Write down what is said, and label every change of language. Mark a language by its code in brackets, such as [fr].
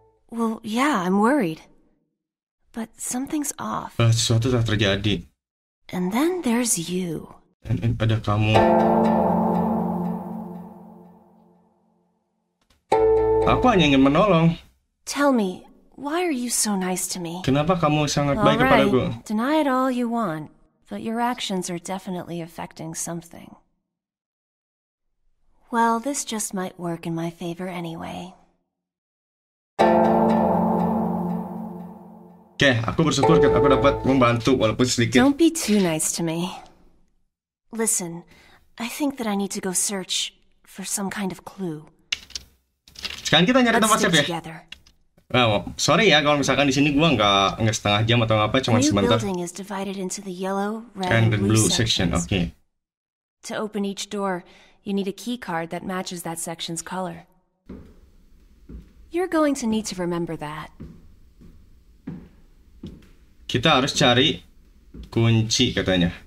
[en] Well, yeah, I'm worried. But something's off. [id] Sesuatu telah terjadi. [en] And then there's you. [id] And pada kamu. Aku hanya ingin menolong. [en] Tell me, why are you so nice to me? [id] Kenapa kamu sangat baik kepada aku? [en] Deny it all you want, but your actions are definitely affecting something. Well, this just might work in my favor anyway. [id] Oke, aku bersyukur kan aku dapat membantu walaupun sedikit. [en] Don't be too nice to me. Listen, I think that I need to go search for some kind of clue. [id] Sekarang kita nyari tempat siap ya. Together. Well, sorry ya kalau misalkan di sini gua enggak setengah jam atau apa cuma sebentar. [en] The building is divided into the yellow, red, and blue section. Oke. Okay. To open each door, you need a key card that matches that section's color. You're going to need to remember that. [id] Kita harus cari kunci katanya.